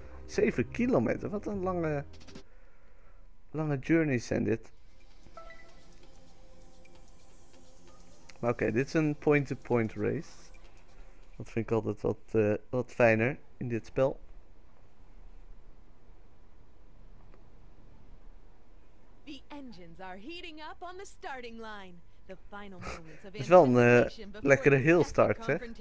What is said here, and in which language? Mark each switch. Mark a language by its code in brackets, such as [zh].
[nl] 7 kilometer. Wat een lange journey zijn dit. Maar oké, dit is een point-to-point race. Dat vind ik altijd wat fijner in dit spel. [en] The engines are heating up on the starting line. [nl] Het is wel een lekkere heel start, hè?